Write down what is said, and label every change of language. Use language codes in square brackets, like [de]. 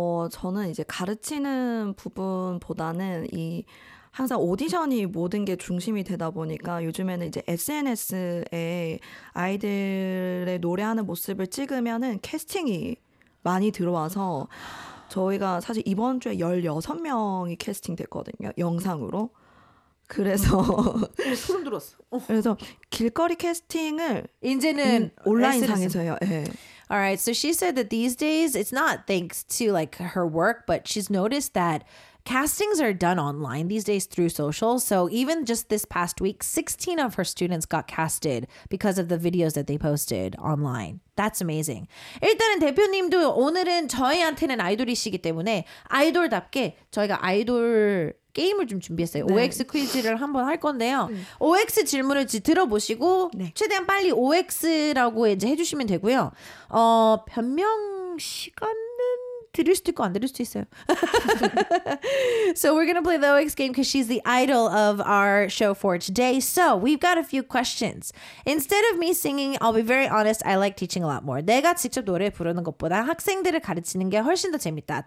[ko] 저는 이제 가르치는 부분보다는 이 항상 오디션이 모든 게 중심이 되다 보니까 요즘에는 이제 SNS에 아이들의 노래하는 모습을 찍으면은 캐스팅이 많이 들어와서 저희가 사실 이번 주에 16명이 캐스팅 됐거든요. 영상으로. 그래서 소름 들었어. 그래서 길거리 캐스팅을 이제는 온라인상에서 해요. 예. [en] All right. So she said that these days it's not thanks to like her work, but she's noticed that castings are done online these days through social. So even just this past week, 16 of her students got casted because of the videos that they posted online. That's amazing. [ko] 일단은 대표님도 오늘은 저희한테는 아이돌이시기 때문에 아이돌답게 저희가 아이돌 게임을 좀 준비했어요. 네. OX 퀴즈를 한번 할 건데요. 네. OX 질문을 들어보시고 네. 최대한 빨리 OX라고 이제 해주시면 되고요. 변명 시간? 들을 수도 있고 안 들을 수도 있어요. [en] So we're going to play the OX game because she's the idol of our show for today. So we've got a few questions. Instead of me singing, I'll be very honest, I like teaching a lot more. [ko] 내가 직접 노래 부르는 것보다 학생들을 가르치는 게 훨씬 더 재밌다.